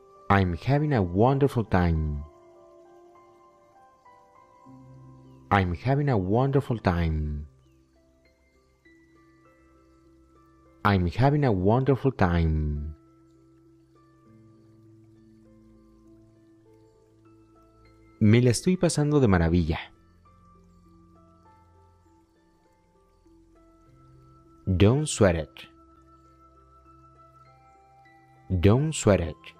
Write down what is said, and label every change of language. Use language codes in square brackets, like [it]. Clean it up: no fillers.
[en] I'm having a wonderful time. I'm having a wonderful time. I'm having a wonderful time. [es] Me la estoy pasando de maravilla. [en] Don't sweat it. Don't sweat it.